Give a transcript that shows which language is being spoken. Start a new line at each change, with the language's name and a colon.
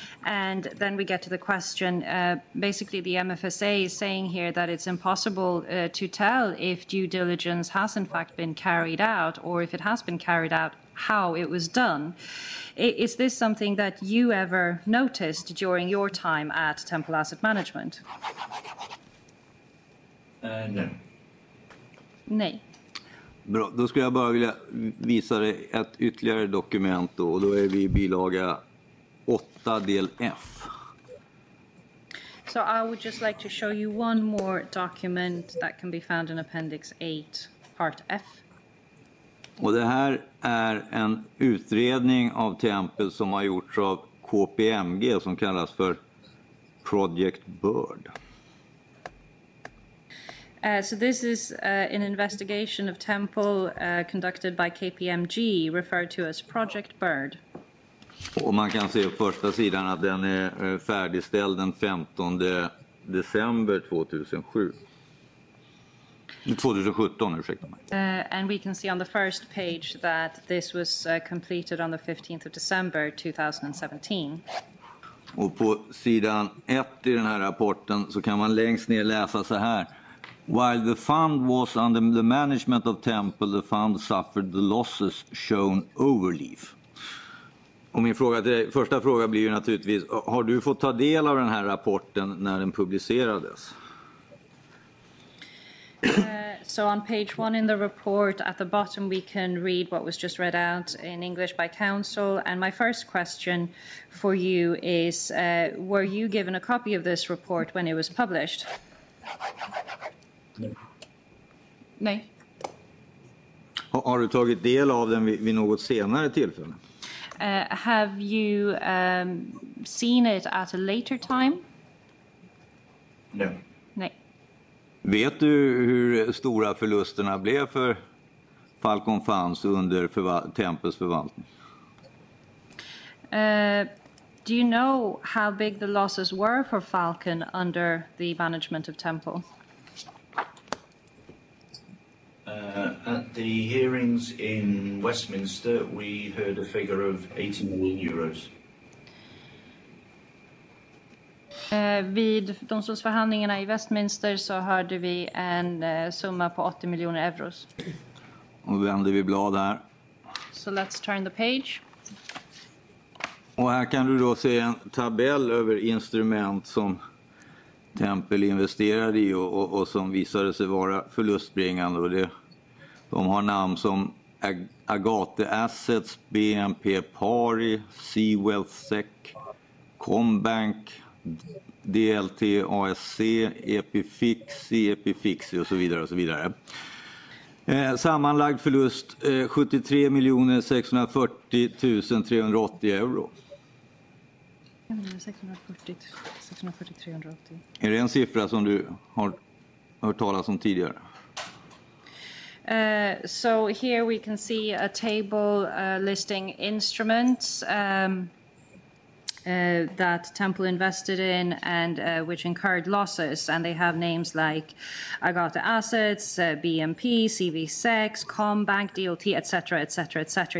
English: And then we get to the question, basically the MFSA is saying here that it's impossible to tell if due diligence has in fact been carried out, or if it has been carried out, how it was done. Is this something that you ever noticed during your time at Tempel Asset Management? No.
Swedish: Nej. Bra, då skulle jag bara vilja visa dig ett ytterligare dokument då, och då är vi i bilaga 8 del F.
English: So I would just like to show you one more document that can be found in appendix 8 part F.
Swedish: Och det här är en utredning av Tempel som har gjorts av KPMG som kallas för Project Bird.
English: So this is an investigation of Tempel conducted by KPMG, referred to as Project Bird.
Swedish: Och man kan se på första sidan att den är färdigställd den 15 december 2017, ursäkta mig.
English: And we can see on the first page that this was completed on the 15th of December 2017.
Swedish: Och på sidan 1 i den här rapporten så kan man längst ner läsa så här: while the fund was under the management of Tempel, the fund suffered the losses shown overleaf. Och min fråga till dig, första fråga blir ju naturligtvis, har du fått ta del av den här rapporten när den publicerades?
English: So on page one in the report, at the bottom, we can read what was just read out in English by counsel. And my first question for you is, were you given a copy of this report when it was published?
Swedish: Nej. Nej. Har du tagit del av den vid något senare tillfälle?
English: Have you seen it at a later time? No.
Swedish: Nej. Vet du hur stora förlusterna blev för Falcon Funds under Tempus förvaltning?
English: Do you know how big the losses were for Falcon under the management of Temple? At the hearings in Westminster, we heard a figure of 80 million euros.
Swedish: Vid domstolsförhandlingarna i Westminster så hörde vi en summa på 80 miljoner euro. Och vänder vi blad här.
English: So let's turn the page.
Swedish: Och här kan du då se en tabell över instrument som Tempel investerade i och som visade sig vara förlustbringande. Och det, de har namn som Agate Assets, BNP Paribas, Seawealth Sec, Combank, DLT, ASC, Epifixi och så vidare och så vidare. Sammanlagd förlust 73 640 380 euro. 640 380. Är det en siffra som du har hört talas om tidigare?
English: So here we can see a table listing instruments that Temple invested in and which incurred losses, and they have names like Agata Assets, BNP, CVSEC, Combank, DLT, etc., etc., etc.